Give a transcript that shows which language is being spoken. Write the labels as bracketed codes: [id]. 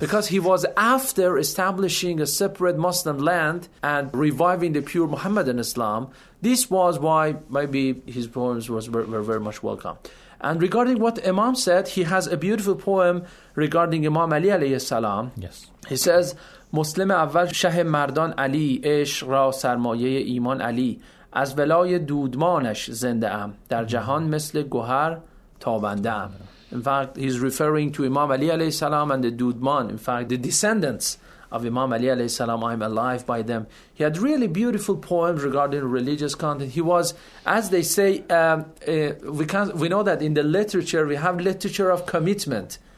[en] Because he was after establishing a separate Muslim land and reviving the pure Muhammadan Islam. This was why maybe his poems were very much welcomed. And regarding what Imam said, he has a beautiful poem regarding Imam Ali alayhi salam. Yes. He says, [fa] مسلم اول شه مردان علی عشق را سرمایه ایمان علی از ولای دودمانش زنده ام در جهان مثل گوهر تابنده ام. [en] In fact, he's referring to Imam Ali alayhi salam and the Dudman. In fact, the descendants of Imam Ali alayhi salam, I'm alive by them. He had really beautiful poems regarding religious content. He was, as they say, we know that in the literature, we have literature of commitment.